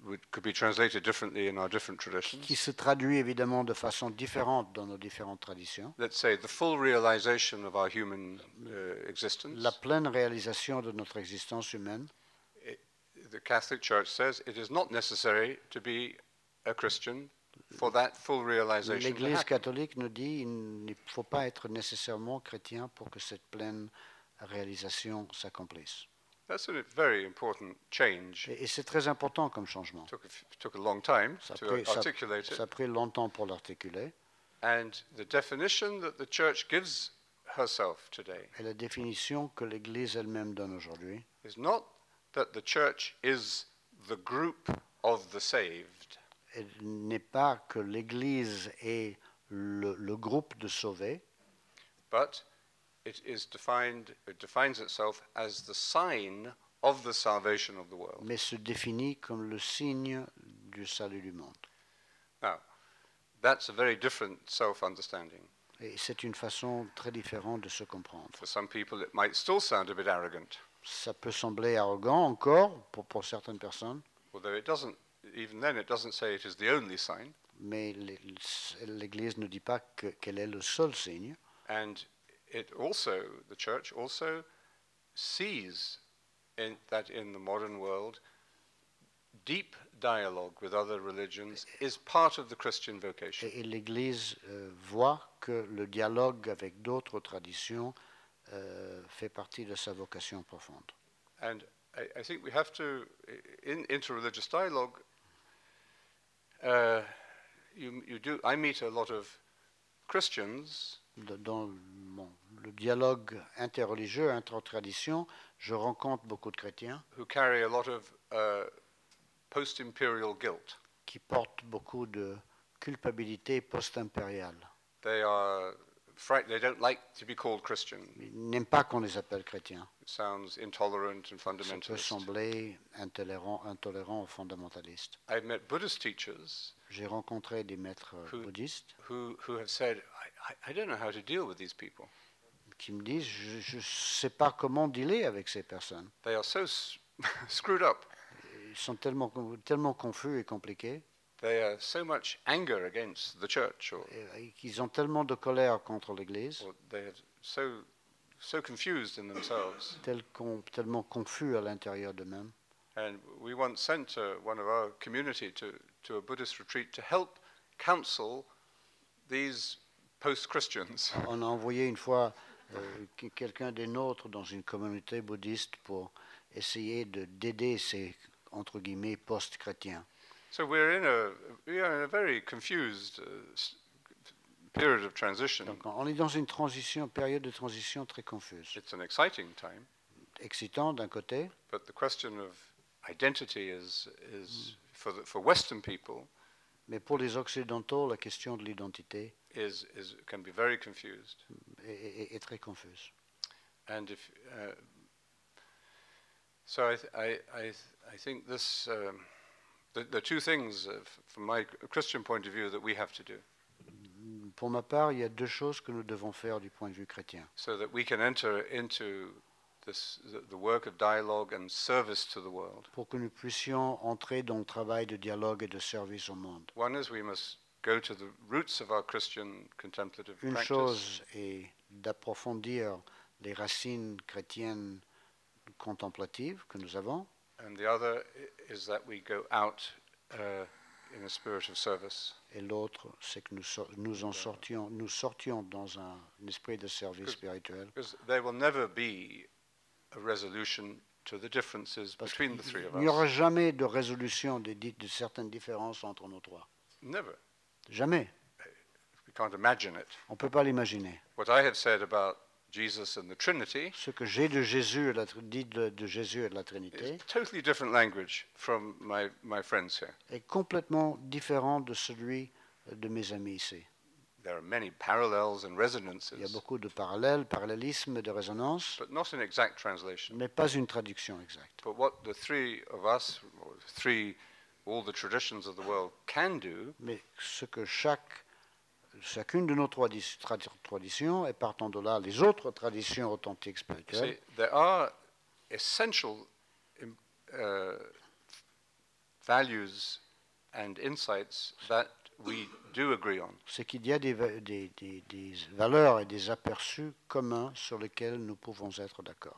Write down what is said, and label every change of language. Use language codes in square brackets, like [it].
[en] could be translated differently in our different traditions. [fr] Qui se traduit évidemment de façon différente dans nos différentes traditions. [en] Let's say the full realization of our human existence. [fr] La pleine réalisation de notre existence humaine. [en] The Catholic Church says it is not necessary to be a Christian for that full realization. [fr] L'Église catholique nous dit il ne faut pas être nécessairement chrétien pour que cette pleine réalisation s'accomplisse. [en] That's a very important change. [fr] Et c'est très important comme changement. [en] Took a long time to articulate it. [fr] Ça a pris longtemps pour l'articuler. [en] And the definition that the church gives herself today. [fr] Et la définition que l'Église elle-même donne aujourd'hui. [en] Is not that the church is the group of the saved. [fr] Elle n'est pas que l'Église est le groupe de sauvés. [en] But it is defined, it defines itself as the sign of the salvation of the world. [fr] Mais se définit comme le signe du salut du monde. [en] Now, that's a very different self-understanding. [fr] Et c'est une façon très différente de se comprendre. [en] For some people, it might still sound a bit arrogant. [fr] Ça peut sembler arrogant encore pour certaines personnes. [en] Although it doesn't, even then, it doesn't say it is the only sign. [fr] Mais l'Église ne dit pas qu'elle est le seul signe. [en] And it also, the church also sees in that in the modern world, deep dialogue with other religions is part of the Christian vocation. [fr] Et l'Église voit que le dialogue avec d'autres traditions fait partie de sa vocation profonde. [en] And I think we have to, in interreligious dialogue, you do. I meet a lot of Christians. [fr] Dans le dialogue interreligieux, intra-tradition, je rencontre beaucoup de chrétiens. [en] Who carry a lot of post-imperial guilt. [fr] Qui porte beaucoup de culpabilité post-impériale. [en] They are frightened. They don't like to be called Christians. [fr] Ils n'aiment pas qu'on les appelle chrétiens. [en] Sounds intolerant and fundamentalist. [fr] Ça peut sembler intolérant ou fondamentaliste. [en] I've met Buddhist teachers. [fr] J'ai rencontré des maîtres bouddhistes. [en] Who have said, I don't know how to deal with these people. [fr] Qui me disent, je sais pas comment dealer avec ces personnes. [en] They are so screwed up. [fr] Ils sont tellement confus et compliqués. [en] They are so much anger against the church. [fr] Ils ont tellement de colère contre l'Église. [en] They are so confused in themselves. [fr] Tellement confus à l'intérieur d'eux-mêmes. [en] And we once sent one of our community to a Buddhist retreat to help counsel these post-Christians. [fr] On a envoyé une fois quelqu'un des nôtres dans une communauté bouddhiste pour essayer d'aider ces entre guillemets post-chrétiens. [en] So we're in a very confused period of transition. [fr] Donc on est dans une transition, période de transition très confuse. [en] It's an exciting time. [fr] Excitant d'un côté. [en] But the question of identity is for Western people. [fr] Mais pour les Occidentaux, la question de l'identité [en] is can be very confused. [fr] Est très confuse. [en] And if so I think this the two things from my Christian point of view that we have to do. [fr] Pour ma part, il y a deux choses que nous devons faire du point de vue chrétien. [en] So that we can enter into this, the work of dialogue and service to the world. [fr] Pour que nous puissions entrer dans le travail de dialogue et de service au monde. [en] One is we must go to the roots of our Christian contemplative practice. [fr] Une chose est d'approfondir les racines chrétiennes contemplatives que nous avons. [en] And the other is that we go out in a spirit of service. [fr] Et l'autre, c'est que nous sortions dans un esprit de service spirituel. [en] Because there will never be a resolution to the differences between the three of us. [fr] Il n'y aura jamais de résolution de certaines différences entre nous trois. [en] Never. [fr] Jamais. [en] We can't imagine it. [fr] On ne peut pas l'imaginer. [en] What I have said about Jesus and the Trinity. [fr] Ce que j'ai de Jésus, dit de Jésus et de la Trinité. [en] It's totally different language from my friends here. [fr] Est complètement différent de celui de mes amis ici. [en] There are many parallels and resonances. [fr] Il y a beaucoup de parallélismes et de résonances. [en] But not an exact translation. [fr] Mais pas une traduction exacte. [en] But what the three of us, or three, all the traditions of the world can do. [fr] Mais ce que chacune de nos trois traditions, et partant de là, les autres traditions authentiques spirituelles. [en] See, there are essential values and insights that we do agree on. [fr] C'est qu'il y a des valeurs et des aperçus communs sur lesquels nous pouvons être d'accord.